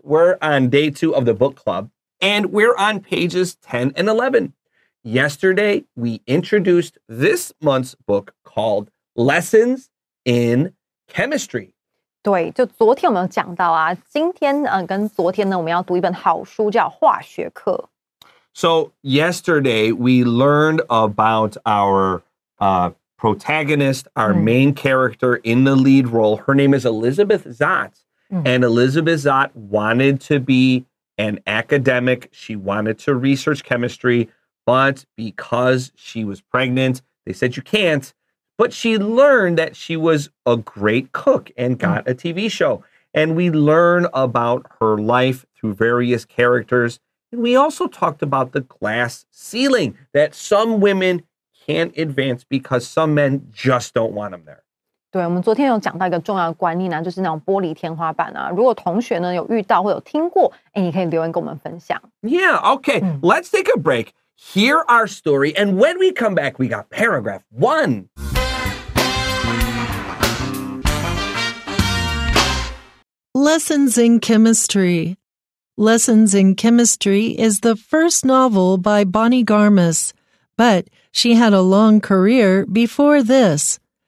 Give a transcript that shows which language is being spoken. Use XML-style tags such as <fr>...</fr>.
<en>We're on day two of the book club, and we're on pages 10 and 11. Yesterday, we introduced this month's book called Lessons in Chemistry.</en> <zh>对，就昨天我们有讲到啊，今天跟昨天呢，我们要读一本好书，叫化学课。</zh> <en>So yesterday we learned about our protagonist, our main character in the lead role. Her name is Elizabeth Zott, and Elizabeth Zott wanted to be an academic. She wanted to research chemistry, but because she was pregnant, they said you can't. But she learned that she was a great cook and got a TV show. And we learn about her life through various characters. And we also talked about the glass ceiling that some women can't advance because some men just don't want them there.</en> <zh>对，我们昨天有讲到一个重要的观念呢，就是那种玻璃天花板啊。如果同学呢有遇到或有听过，哎，你可以留言跟我们分享。</zh> <en>Yeah, okay, let's take a break. Hear our story. And when we come back, we got paragraph one. Lessons in Chemistry. Lessons in Chemistry is the first novel by Bonnie Garmus, but she had a long career before this.</en>